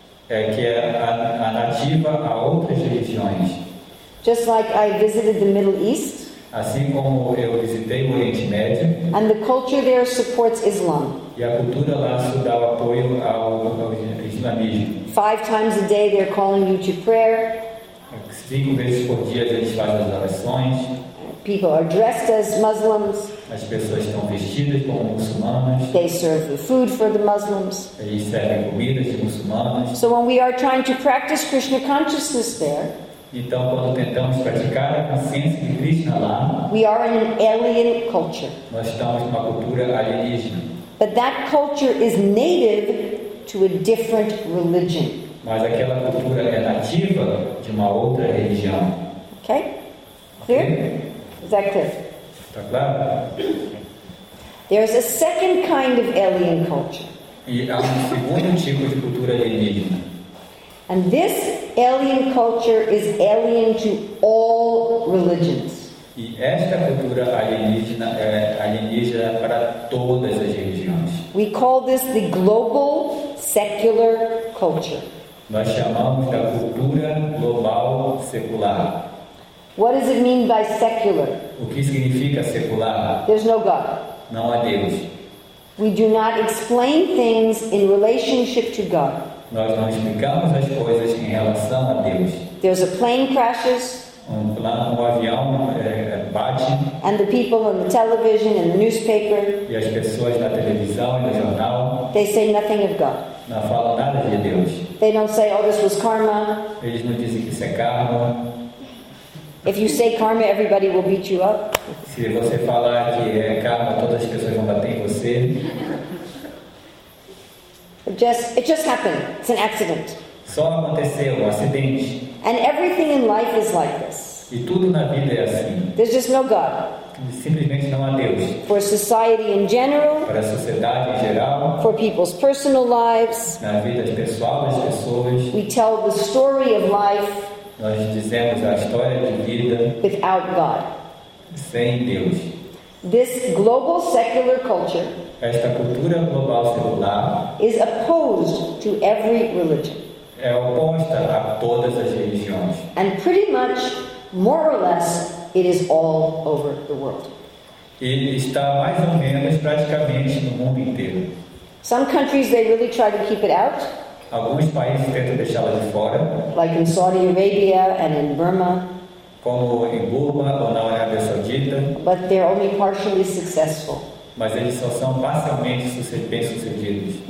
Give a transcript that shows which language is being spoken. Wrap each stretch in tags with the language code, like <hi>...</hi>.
<pt>É que é a nativa a outras religiões.</pt> <en>Just like I visited the Middle East.</en> <pt>Assim como eu visitei o Oriente Médio.</pt> <en>And the culture there supports Islam.</en> <pt>E a cultura lá dá o apoio ao islamismo.</pt> <en>Five times a day they're calling you to prayer.</en> <pt>Cinco vezes por dia eles fazem as orações.</pt> <en>People are dressed as Muslims.</en> <pt>As pessoas estão vestidas como muçulmanas.</pt> <en>They serve the food for the Muslims.</en> <pt>Eles servem comidas de muçulmanas.</pt> <en>So when we are trying to practice Krishna consciousness there.</en> <pt>Então, quando tentamos praticar a consciência de Krishna lá,</pt> <en>we are in an alien culture.</en> <pt>Nós estamos numa cultura alienígena.</pt> <en>But that culture is native to a different religion.</en> <pt>Mas aquela cultura é nativa de uma outra religião.</pt> <en>Okay? Clear? Is that clear?</en> <pt>Está claro?</pt> <en>There's a second kind of alien culture.</en> <pt>E há um segundo tipo de cultura alienígena.</pt> <en>And this alien culture is alien to all religions.</en> <pt>E esta cultura alienígena é alienígena para todas as religiões.</pt> <en>We call this the global secular culture.</en> <pt>Nós chamamos da cultura global secular.</pt> <en>What does it mean by secular?</en> <pt>O que significa secular?</pt> <en>There's no God.</en> <pt>Não há Deus.</pt> <en>We do not explain things in relationship to God.</en> <pt>Nós não explicamos as coisas em relação a Deus.</pt> <en>There's a plane crashes.</en> <pt>Um avião bate.</pt> <en>And the people on the television and the newspaper.</en> <pt>E as pessoas na televisão e no jornal.</pt> <en>They say nothing of God.</en> <pt>Não falam nada de Deus.</pt> <en>They don't say, "Oh, this was karma."</en> <pt>Eles não dizem que isso é karma.</pt> <en>If you say karma, everybody will beat you up.</en> <pt>Se você falar que é karma, todas as pessoas vão bater em você.</pt> <en>It just happened. It's an accident.</en> <pt>Só aconteceu, um acidente.</pt> <en>And everything in life is like this.</en> <pt>E tudo na vida é assim.</pt> <en>There's just no God.</en> <pt>Simplesmente não há Deus.</pt> <en>For society in general.</en> <pt>Para a sociedade em geral.</pt> <en>For people's personal lives.</en> <pt>Na vida pessoal das pessoas.</pt> <en>We tell the story of life.</en> <pt>Nós dizemos a história de vida.</pt> <en>Without God.</en> <pt>Sem Deus.</pt> <en>This global secular culture.</en> <pt>Esta cultura global secular.</pt> <en>Is opposed to every religion.</en> <pt>É oposta a todas as religiões.</pt> <en>And pretty much, more or less, it is all over the world.</en> <pt>E está mais ou menos praticamente no mundo inteiro.</pt> <en>Some countries they really try to keep it out.</en> <pt>Alguns países tentam deixá-la de fora.</pt> <en>Like in Saudi Arabia and in Burma.</en> <pt>Como em Burma ou na Arábia Saudita.</pt> <en>But they're only partially successful.</en> <pt>Mas eles só são parcialmente bem-sucedidos.</pt>